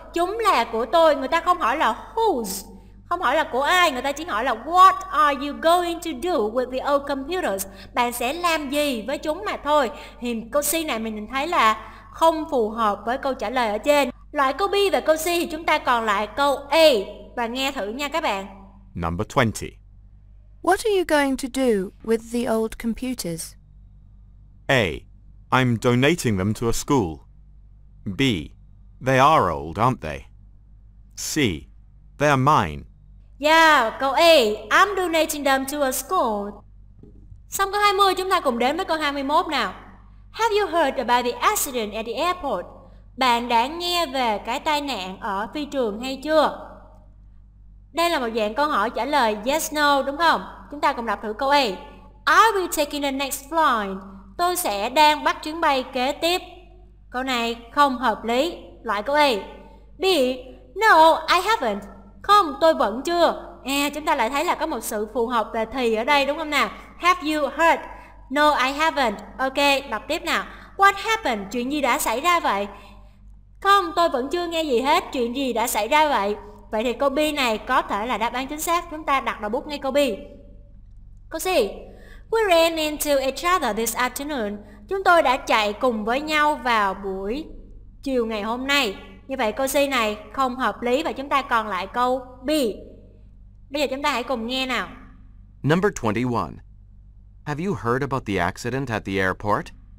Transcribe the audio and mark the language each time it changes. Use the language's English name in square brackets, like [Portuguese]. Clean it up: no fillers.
[Vietnamese] Chúng là của tôi, người ta không hỏi là whose, không hỏi là của ai, người ta chỉ hỏi là [English] what are you going to do with the old computers? [Vietnamese] Bạn sẽ làm gì với chúng mà thôi. Thì câu C này mình nhìn thấy là không phù hợp với câu trả lời ở trên. Loại câu B và câu C thì chúng ta còn lại câu A. Và nghe thử nha các bạn. [English] Number 20. What are you going to do with the old computers? A. I'm donating them to a school. B. They are old, aren't they? C. They are mine. Yeah, [Vietnamese] câu A, [English] I'm donating them to a school. [Vietnamese] Xong câu 20, chúng ta cùng đến với câu 21 nào. Have you heard about the accident at the airport? Bạn đã nghe về cái tai nạn ở phi trường hay chưa? Đây là một dạng câu hỏi trả lời [English] yes, no, [Vietnamese] đúng không? Chúng ta cùng đọc thử câu A. [English] I'll be taking the next flight. [Vietnamese] Tôi sẽ đang bắt chuyến bay kế tiếp. Câu này không hợp lý. Loại câu A. B. [English] No, I haven't. [Vietnamese] Không, tôi vẫn chưa. À, chúng ta lại thấy là có một sự phù hợp về thì ở đây đúng không nào? [English] Have you heard? No, I haven't. [Vietnamese] Ok, đọc tiếp nào. [English] What happened? [Vietnamese] Chuyện gì đã xảy ra vậy? Không, tôi vẫn chưa nghe gì hết. Chuyện gì đã xảy ra vậy? Vậy thì câu B này có thể là đáp án chính xác. Chúng ta đặt đầu bút ngay câu B. Câu C. [English] We ran into each other this afternoon. [Vietnamese] Chúng tôi đã chạy cùng với nhau vào buổi chiều ngày hôm nay. Như vậy câu C này không hợp lý và chúng ta còn lại câu B. Bây giờ chúng ta hãy cùng nghe nào. [English] Number 21. Have you heard about the accident at the airport?